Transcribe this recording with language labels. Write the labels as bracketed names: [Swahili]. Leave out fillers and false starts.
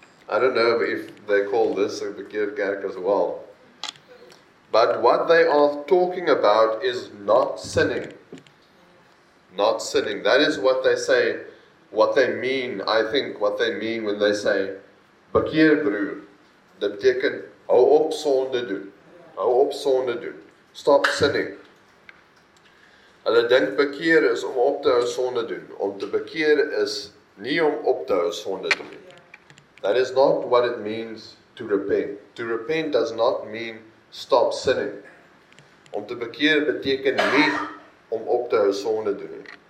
[English] I don't know if they call this a bekeerkerk as well. But what they are talking about is not sinning. Not sinning. That is what they say, what they mean, I think, what they mean when they say, bekeer broer. [Afrikaans] Dit beteken, hou op sonde doen. Hou op sonde doen. [English] Stop sinning. [Afrikaans] Hulle dink bekeer is om op te hou sonde doen. Om te bekeer is nie om op te hou sonde doen. [English] That is not what it means to repent. To repent does not mean stop sinning. [Afrikaans] Om te bekeer beteken nie om op te hou sonde doen.